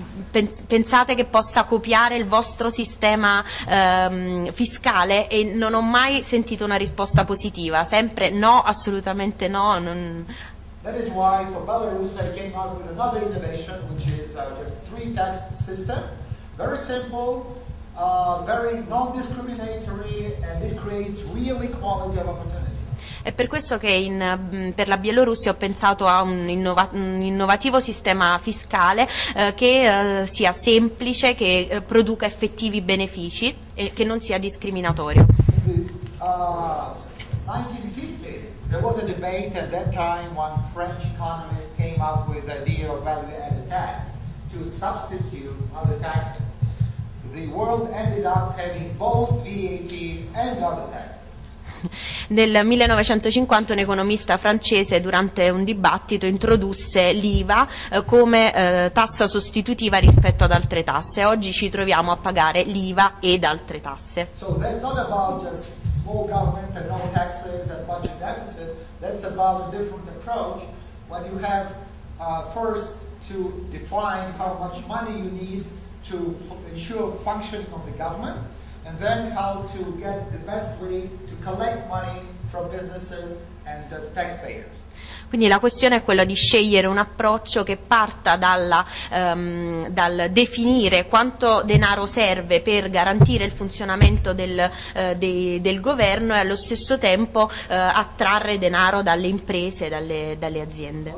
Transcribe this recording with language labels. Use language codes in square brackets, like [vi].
[it] Pensate che possa copiare il vostro sistema fiscale? E non ho mai sentito una risposta positiva, sempre no, assolutamente no. [en] That is why for Belarus I came out with another innovation, which is just three tax system. Very simple, very non-discriminatory, and it creates real equality of opportunity. [it] È per questo che per la Bielorussia ho pensato a un innovativo sistema fiscale che sia semplice, che produca effettivi benefici e che non sia discriminatorio. Nel 1950 [en] there was a debate at that time when French economists came up with the idea of value added tax to substitute other taxes. The world ended up having both VAT and other taxes. [it] Nel 1950 un economista francese durante un dibattito introdusse l'IVA come tassa sostitutiva rispetto ad altre tasse. Oggi ci troviamo a pagare l'IVA ed altre tasse. [en] So that's not about just small government and no taxes and budget deficit. That's about a different approach. When you have first to define how much money you need to ensure functioning of the government. And then how to get the best way to collect money from businesses and the taxpayers. [it] Quindi la questione è quella di scegliere un approccio che parta dal definire quanto denaro serve per garantire il funzionamento del governo e allo stesso tempo attrarre denaro dalle imprese e dalle aziende.